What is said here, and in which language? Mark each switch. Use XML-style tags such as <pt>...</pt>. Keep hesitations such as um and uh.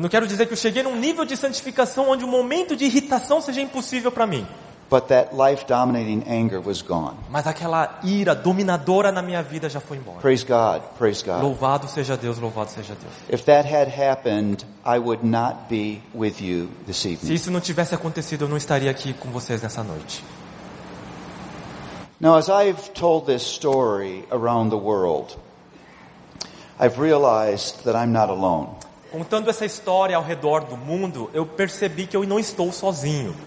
<pt>não quero dizer que eu cheguei a um nível de santificação onde um momento de irritação seja impossível para mim.</pt> <en>But that life dominating anger was gone.</en> <pt>Mas aquela ira dominadora na minha vida já foi embora.</pt> <en>Praise God, praise God. Louvado</en> <pt>seja Deus, louvado seja Deus.</pt> <en>If that had happened, I would not be with you this evening.</en> <pt>Se isso não tivesse acontecido, eu não estaria aqui com vocês nessa noite.</pt> <en>Now as I've told this story around the world, I've realized that I'm not alone.</en> <pt>Contando essa história ao redor do mundo, eu percebi que eu não estou sozinho.</pt>